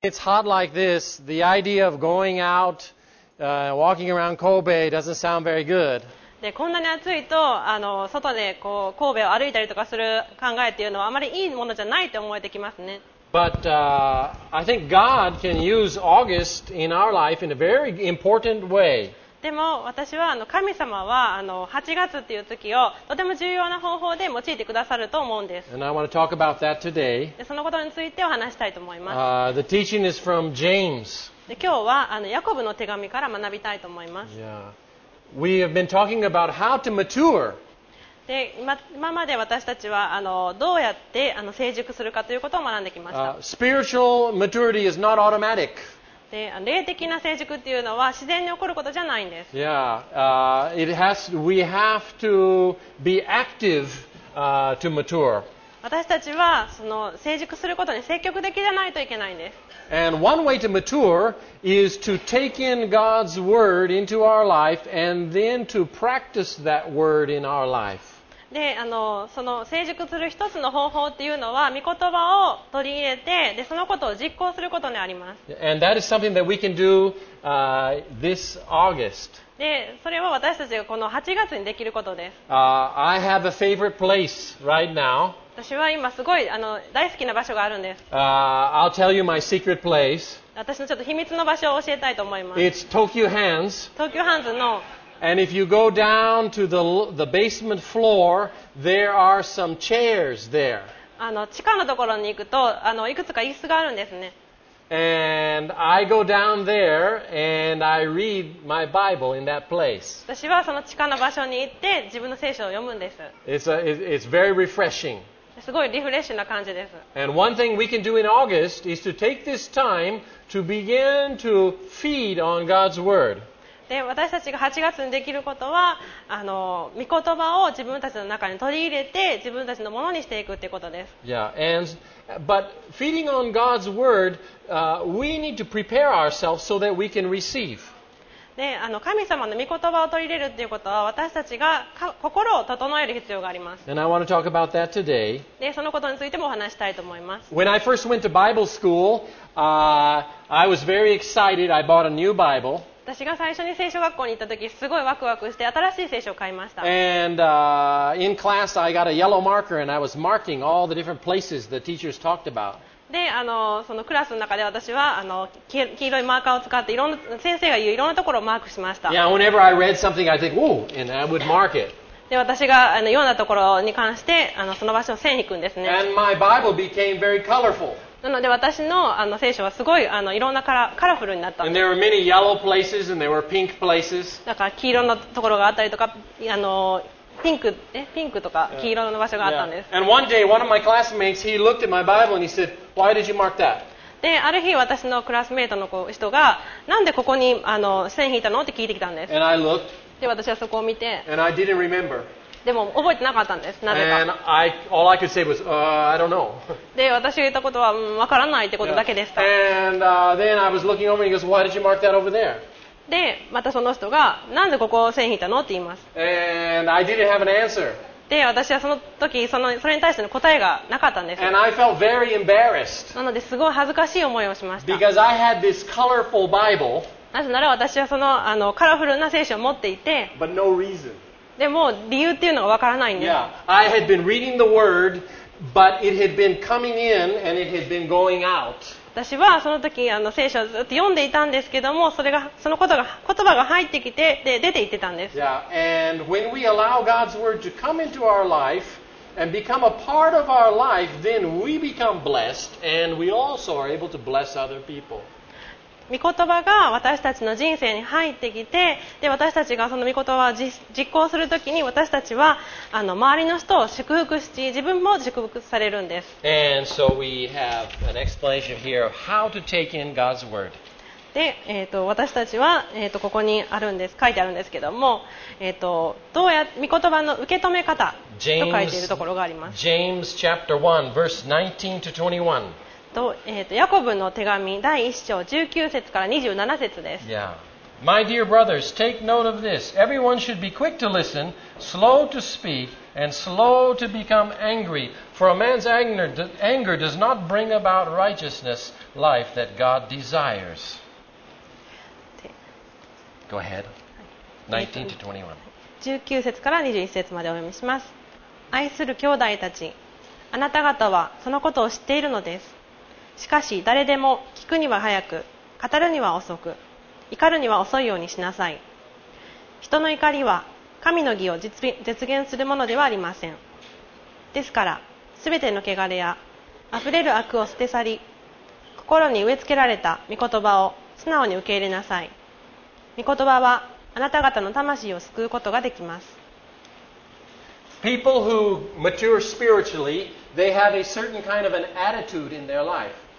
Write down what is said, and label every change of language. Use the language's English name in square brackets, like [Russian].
[English] It's hot like this, the idea of going out, walking around Kobe doesn't sound very good. [Japanese] で、こんなに暑いと、外でこう神戸を歩いたりとかする考えっていうのはあまりいいものじゃないと思えてきますね。 [English] But, I think God can use August in our life in a very important way. [Japanese] でも私は神様は8月っていう月をとても重要な方法で用いてくださると思うんです。 [English] And I want to talk about that today. [Japanese] で、そのことについてお話したいと思います。 [English] The teaching is from James. [Japanese] で、今日はヤコブの手紙から学びたいと思います。 [English] Yeah. We have been talking about how to mature. [Japanese] で、今まで私たちはどうやって成熟するかということを学んできました。 [English] Spiritual maturity is not automatic. [Japanese] で、霊的な成熟っていうのは自然に起こることじゃないんです。 [English] Yeah, we have to be active, to mature. [Japanese] 私たちはその成熟することに積極的じゃないといけないんです。 [English] And one way to mature is to take in God's word into our life and then to practice that word in our life. [Japanese] で、その成熟する一つの方法っていうのは、御言葉を取り入れて、で、そのことを実行することにあります。 [English] And that is something that we can do, this August. [Japanese] で、それは私たちがこの8月にできることです。 [English] I have a favorite place right now. [Japanese] 私は今すごい大好きな場所があるんです。 [English] I'll tell you my secret place. [Japanese] 私のちょっと秘密の場所を教えたいと思います。 [English] It's Tokyo Hands. [Japanese] Tokyo Hands の。 [English] And if you go down to the basement floor, there are some chairs there. [Japanese] 地下のところに行くと、いくつか椅子があるんですね。 [English] And I go down there and I read my Bible in that place. [Japanese] 私はその地下の場所に行って自分の聖書を読むんです。 [English] It's very refreshing. [Japanese] すごいリフレッシュな感じです。 [English] And one thing we can do in August is to take this time to begin to feed on God's Word. [Japanese] で、私たちが8月にできることは、御言葉を自分たちの中に取り入れて自分たちのものにしていくということです。 [English] Yeah, but feeding on God's word, we need to prepare ourselves so that we can receive. [Japanese] で、神様の御言葉を取り入れるということは、私たちが心を整える必要があります。 [English] And I want to talk about that today. [Japanese] で、そのことについてもお話したいと思います。 [English] When I first went to Bible school, I was very excited. I bought a new Bible. [Japanese] 私が最初に聖書学校に行った時、すごいワクワクして新しい聖書を買いました。 [English] And, in class, I got a yellow marker and I was marking all the different places the teachers talked about. [Japanese] で、そのクラスの中で私は黄色いマーカーを使っていろんな先生が言ういろんなところをマークしました。 [English] Yeah, whenever I read something, I think, ooh, and I would mark it. [Japanese] で、私が読んだところに関してその場所を線引くんですね。 [English] And my Bible became very colorful. [Japanese] なので私の聖書はすごいいろんなカラフルになったんです [English] And there were many and there were pink [Japanese] なんか黄色のところがあったりとか、ピンクとか黄色の場所があったんです。 [English] And one day, one of my classmates, he looked at my Bible and he said, "Why did you mark that?" [Japanese] で、ある日私のクラスメートの人がなんでここに線引いたのって聞いてきたんです。 [English] And I looked. [Japanese] で、私はそこを見て。 [English] And I didn't remember. [Japanese] でも覚えてなかったんです。なぜか。 [English] And all I could say was, I don't know. [Japanese] で、私が言ったことは、わからないってことだけでした。 [English] Yeah. And, then I was looking over and he goes, why did you mark that over there? [Japanese] で、またその人が、なんでここを線引いたのって言います。 [English] And I didn't have an answer. [Japanese] で、私はその時、それに対しての答えがなかったんです。 [English] And I felt very embarrassed. [Japanese] なので、すごい恥ずかしい思いをしました。 [English] Because I had this colorful Bible. [Japanese] なぜなら私はその、カラフルな聖書を持っていて。 [English] But no reason. [Japanese] でも理由っていうのがわからないんです。 [English] Yeah, I had been reading the word, but it had been coming in and it had been going out. [Japanese] 私はその時聖書をずっと読んでいたんですけども、そのことが言葉が入ってきてで出て行ってたんです。 [English] Yeah, and when we allow God's word to come into our life and become a part of our life, then we become blessed and we also are able to bless other people. [Japanese] 御言葉が私たちの人生に入ってきて、で、私たちがその御言葉を実行するときに、私たちは周りの人を祝福し、自分も祝福されるんです。 [English] And so we have an explanation here of how to take in God's word. [Japanese] で、私たちは、ここにあるんです、書いてあるんですけども、どうやって御言葉の受け止め方と書いているところがあります。 [English] James chapter 1, verse 19 to 21. [Japanese] ヤコブの手紙第1章19節から27節です。 [English] Yeah. My dear brothers, take note of this. Everyone should be quick to listen, slow to speak, and slow to become angry. For a man's anger does not bring about righteousness, life that God desires. Go ahead. 19-21. [Japanese] 19節から21節までお読みします。愛する兄弟たち、あなた方はそのことを知っているのです。しかし誰でも聞くには早く、語るには遅く、怒るには遅いようにしなさい。人の怒りは神の義を実現するものではありません。ですから、すべての汚れや溢れる悪を捨て去り、心に植え付けられた御言葉を素直に受け入れなさい。御言葉はあなた方の魂を救うことができます。 [English] People who mature spiritually, they have a certain kind of an attitude in their life.